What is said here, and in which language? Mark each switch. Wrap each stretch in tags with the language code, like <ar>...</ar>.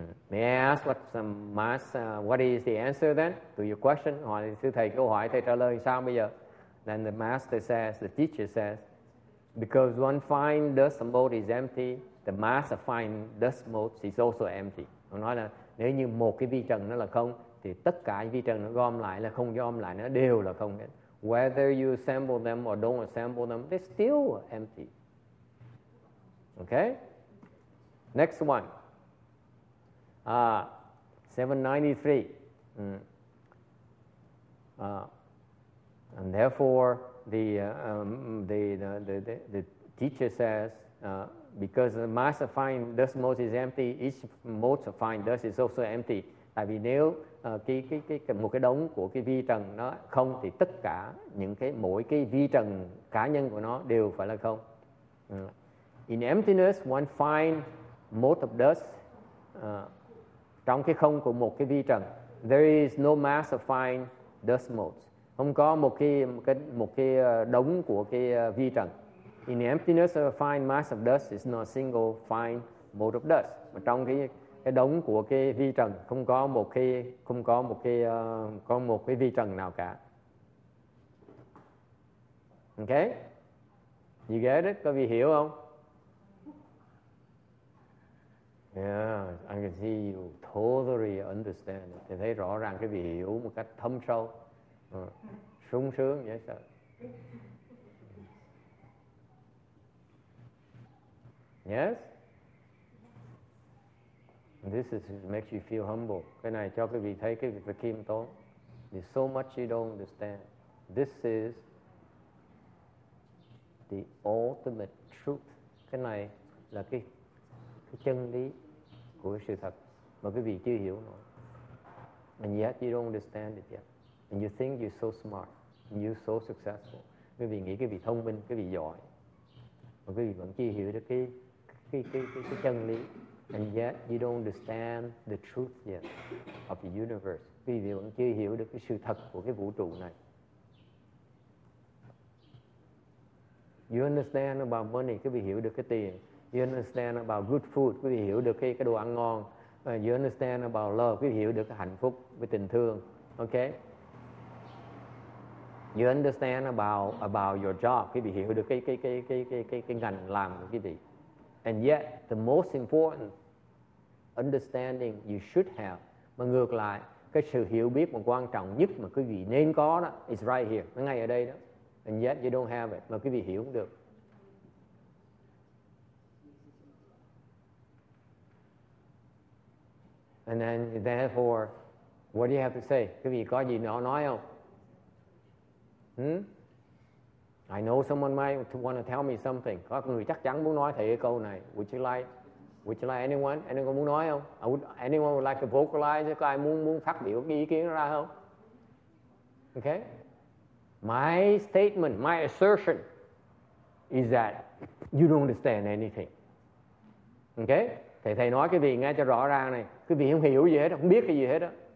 <en>May I ask what some mass, what is the answer then to your question? Then the master says, the teacher says, because one fine dust mote is empty, the mass of fine dust motes is also empty.</en> <vi>Ông nói là nếu như một cái vi trần nó là không, thì tất cả vi trần nó gom lại là không gom lại, nó đều là không.</vi> <en>Whether you assemble them or don't assemble them, they're still empty. Okay? Next one. 793. And therefore the teacher says, because the mass of fine dust mote is empty, each mote of fine dust is also empty.</en> <vi>Tại vì nếu một cái đống của cái vi trần nó không thì tất cả những cái mỗi cái vi trần cá nhân của nó đều phải là không.</vi> <en>In emptiness, one fine mote of dust,</en> <vi>trong cái không của một cái vi trần,</vi> <en>there is no mass of fine dust motes.</en> <vi>Không có một cái đống của cái vi trần.</vi> <en>In the emptiness of a fine mass of dust is not a single fine mote of dust.</en> <vi>Mà trong cái đống của cái vi trần không có một cái vi trần nào cả.</vi> <en>Okay? You get it?</en> <vi>Có vị hiểu không?</vi> <en>Yeah, I can see you totally understand.</en> <vi>Thì thấy rõ ràng cái vị hiểu một cách thâm sâu. Sung sướng vậy sao?</vi> <en>Yes? This is makes you feel humble.</en> <vi>Cái này cho cái vị thấy cái vị khiêm tốn.</vi> <en>There's so much you don't understand. This is the ultimate truth.</en> <vi>Cái này là cái chân lý của sự thật mà quý vị chưa hiểu nổi.</vi> <en>And yet you don't understand it yet. And you think you're so smart. And you're so successful.</en> <vi>Quý vị nghĩ quý vị thông minh, quý vị giỏi. Mà quý vị vẫn chưa hiểu được cái chân lý.</vi> <en>And yet you don't understand the truth yet of the universe.</en> <vi>Quý vị vẫn chưa hiểu được cái sự thật của cái vũ trụ này.</vi> <en>You understand about money.</en> <vi>Quý vị hiểu được cái tiền.</vi> <en>You understand about good food,</en> <vi>quý vị hiểu được cái đồ ăn ngon.</vi> <en>You understand about love,</en> <vi>quý vị hiểu được cái hạnh phúc, cái tình thương. Okay?</vi> <en>You understand about your job,</en> <vi>quý vị hiểu được cái ngành làm của quý vị.</vi> <en>And yet, the most important understanding you should have,</en> <vi>mà ngược lại, cái sự hiểu biết mà quan trọng nhất mà quý vị nên có đó,</vi> <en>is right here,</en> <vi>nó ngay ở đây đó.</vi> <en>And yet, you don't have it,</en> <vi>mà quý vị hiểu không được.</vi> <en>And then, therefore, what do you have to say?</en> <vi>Quý vị có gì nói không?</vi> <en>I know someone might want to tell me something.</en> <vi>Có người chắc chắn muốn nói thầy cái câu này.</vi> <en>Would you like anyone? Anyone</en> <vi>muốn nói không?</vi> <en>Anyone would like to vocalize?</en> <vi>Có ai muốn phát biểu cái ý kiến ra không?</vi> <en>Okay? My statement, my assertion is that you don't understand anything. Okay?</en> <vi>Thầy nói cái gì nghe cho rõ ràng này. Quý vị không hiểu gì hết, không biết cái gì hết á.</vi>